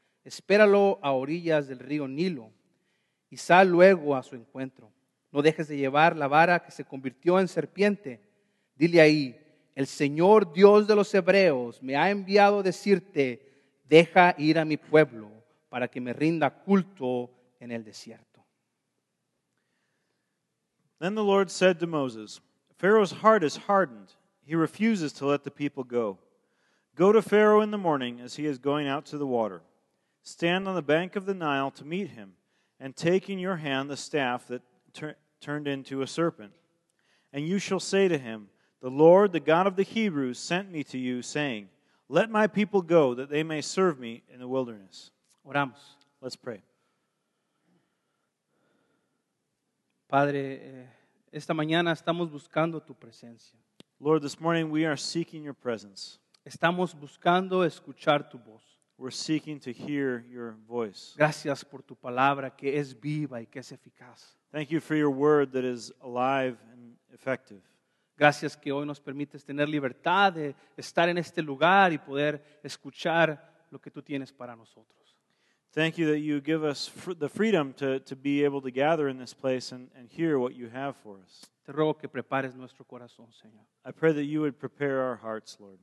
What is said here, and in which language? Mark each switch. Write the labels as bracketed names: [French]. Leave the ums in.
[Spanish] Espéralo a orillas del río Nilo y sal luego a su encuentro. No dejes de llevar la vara que se convirtió en serpiente. Dile ahí, el Señor Dios de los Hebreos me ha enviado a decirte, deja ir a mi pueblo para que me rinda culto en el desierto. [English] Then the Lord said to Moses, Pharaoh's heart is hardened. He refuses to let the people go. Go to Pharaoh in the morning as he is going out to the water. Stand on the bank of the Nile to meet him, and take in your hand the staff that tur- turned into a serpent. And you shall say to him, 'The Lord, the God of the Hebrews, sent me to you, saying, Let my people go, that they may serve me in the wilderness. Oramos. Let's pray. [Spanish] Padre, esta mañana estamos buscando tu presencia. [English] Lord, this morning we are seeking your presence. [Spanish] Estamos buscando escuchar tu voz. We're to hear your voice. Gracias por tu palabra que es viva y que es eficaz. [English] Thank you for your word that is alive and effective. [Spanish] Gracias que hoy nos permites tener libertad de estar en este lugar y poder escuchar lo que tú tienes para nosotros. [English] Thank you that you give us the freedom to, to be able to gather in this place and, and hear what you have for us. Corazón, I pray that you would prepare our hearts, Lord.